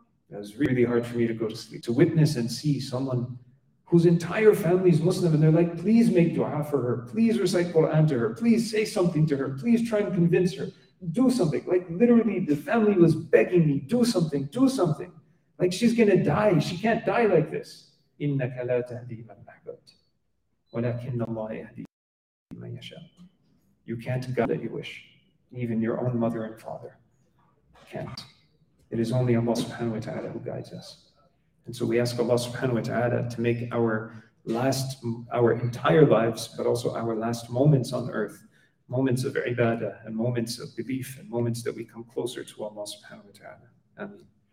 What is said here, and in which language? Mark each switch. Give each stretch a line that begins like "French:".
English: It was really hard for me to go to sleep. To witness and see someone whose entire family is Muslim, and they're like, please make dua for her. Please recite Quran to her. Please say something to her. Please try and convince her. Do something. Like, literally, the family was begging me, do something, do something. Like, she's going to die. She can't die like this.
Arabic: إِنَّكَ لَا تَهْدِي مَنْ أَحْبَبْتَ وَلَكِنَّ اللَّهَ يَهْدِي مَنْ يَشَاءُ. Hashem.
English: You can't guide that you wish. Even your own mother and father can't. It is only Allah subhanahu wa ta'ala who guides us. And so we ask Allah subhanahu wa ta'ala to make our entire lives, but also our last moments on earth, moments of ibadah and moments of belief and moments that we come closer to Allah subhanahu wa ta'ala. Ameen.